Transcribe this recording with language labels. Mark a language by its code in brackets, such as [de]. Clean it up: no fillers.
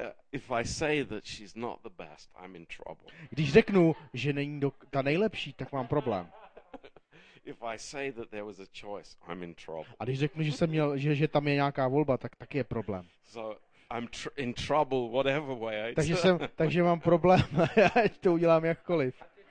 [en] If I say that she's not the best, I'm in trouble. [cs] Když řeknu, že není ta nejlepší, tak mám problém. [en] If I say that there was a choice, I'm in trouble. [cs] A když řeknu, že tam je nějaká volba, tak taky je problém. [en] So, I'm in trouble whatever way. [cs] Takže jsem, takže mám problém, ať to udělám jakkoliv.